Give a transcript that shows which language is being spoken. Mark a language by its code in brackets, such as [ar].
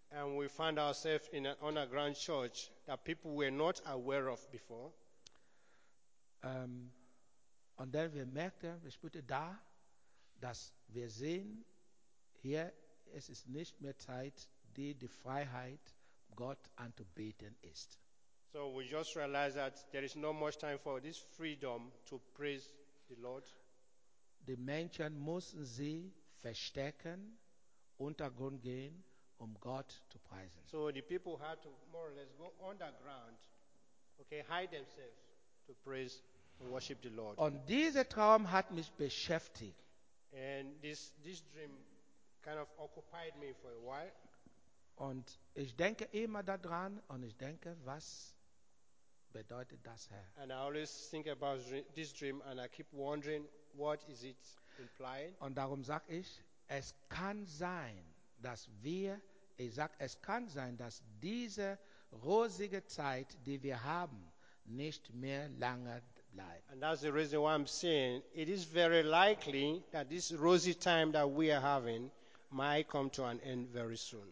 [en] And we found ourselves in an underground church that people were not aware of before. [de] Und dann wir merkten, wir spürten da, dass wir sehen, hier es ist nicht mehr Zeit, die Freiheit Gott anzubeten ist. [en] So we just realized that there is not much time for this freedom to praise the Lord. [de] Die Menschen mussten sie verstecken, untergrund gehen, Gott zu preisen. [en] So the people had to more or less go underground, okay, hide themselves to praise and worship the Lord. [de] Und dieser Traum hat mich beschäftigt. [en] And this dream kind of occupied me for a while. [de] Und ich denke immer daran und ich denke, was bedeutet das Herr? [en] And I always think about this dream and I keep wondering, what is it implying? [de] Und darum sage ich, es kann sein, dass wir, ich sage, es kann sein, dass diese rosige Zeit, die wir haben, nicht mehr lange bleibt. [en] And that's the reason why I'm saying, it is very likely that this rosy time that we are having might come to an end very soon.